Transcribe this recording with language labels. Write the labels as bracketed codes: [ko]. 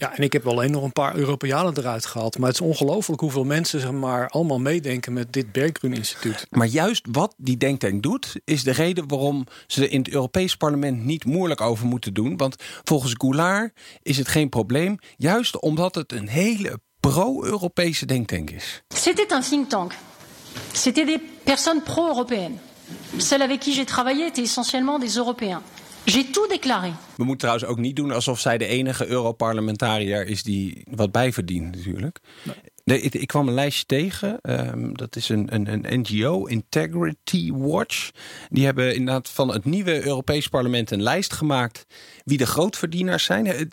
[nl] Ja, en ik heb alleen nog een paar Europeanen eruit gehaald. Maar het is ongelooflijk hoeveel mensen zeg maar allemaal meedenken met dit Berggruen-instituut. Maar juist wat die denktank doet, is de reden waarom ze er in het Europees Parlement niet moeilijk over moeten doen. Want volgens Goulard is het geen probleem. Juist omdat het een hele pro-Europese denktank is. [fr] C'était un think tank. C'était des personnes pro-européennes. Celles avec qui j'ai travaillé étaient essentiellement des Européens. J'ai tout déclaré. [nl] We moeten trouwens ook niet doen alsof zij de enige Europarlementariër is die wat bijverdient natuurlijk. Nee. Ik kwam een lijstje tegen. Dat is een NGO, Integrity Watch. Die hebben inderdaad van het nieuwe Europees Parlement een lijst gemaakt wie de grootverdieners zijn.